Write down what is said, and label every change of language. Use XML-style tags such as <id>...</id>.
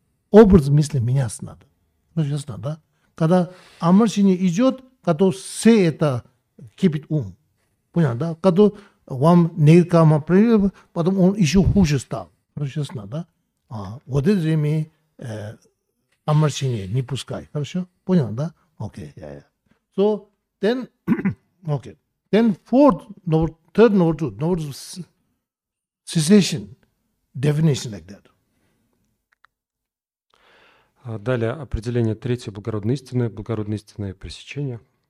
<ru>Образ мысли меняться надо. Короче, ясно, да? Когда омрачение идет, когда все это кипит ум. Понятно, да? Когда вам негативная карма привела, потом он еще хуже стал. Хорошо, ясно, да? А, вот это время омрачение не пускай. Хорошо? Понял, да? Окей.</ru> <en>Okay. Yeah. So, then, okay. Then fourth, number, third number two, number two, cessation, definition like that.</en> <ru>Далее определение третьей благородной истины пресечения.</ru>